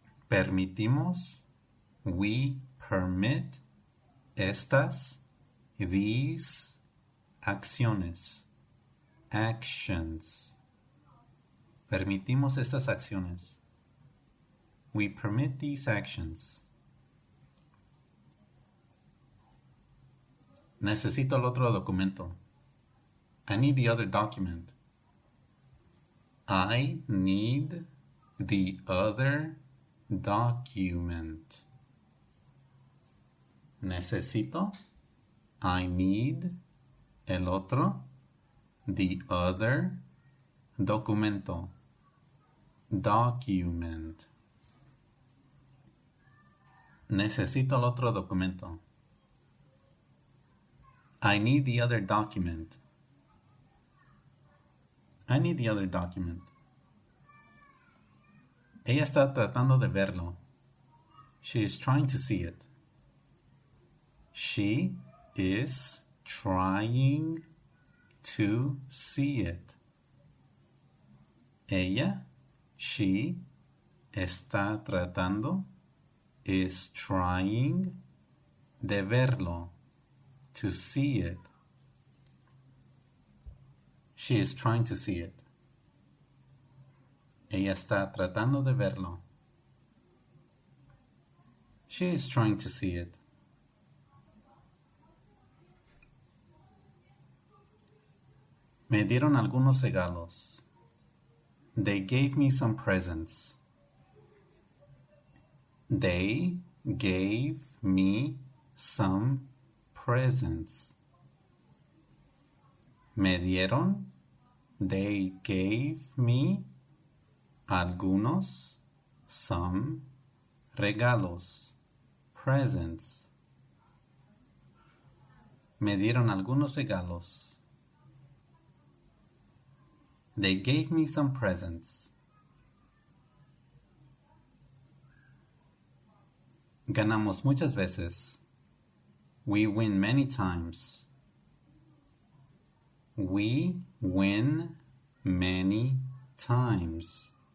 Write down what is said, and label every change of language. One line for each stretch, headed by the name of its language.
Spanish: Permitimos.
English: We permit
Spanish: estas.
English: These
Spanish: acciones.
English: Actions.
Spanish: Permitimos estas acciones.
English: We permit these actions.
Spanish: Necesito el otro documento.
English: I need the other document. I need the other document.
Spanish: Necesito.
English: I need
Spanish: el otro.
English: The other
Spanish: documento.
English: Document.
Spanish: Necesito el otro documento.
English: I need the other document. I need the other document.
Spanish: Ella está tratando de verlo.
English: She is trying to see it. She is trying to see it.
Spanish: Ella,
English: she
Spanish: está tratando,
English: is trying
Spanish: de verlo,
English: to see it. She is trying to see it.
Spanish: Ella está tratando de verlo.
English: She is trying to see it.
Spanish: Me dieron algunos regalos.
English: They gave me some presents. They gave me some presents.
Spanish: Me dieron.
English: They gave me
Spanish: algunos,
English: some
Spanish: regalos,
English: presents.
Spanish: Me dieron algunos regalos.
English: They gave me some presents.
Spanish: Ganamos muchas veces.
English: We win many times. We win many times.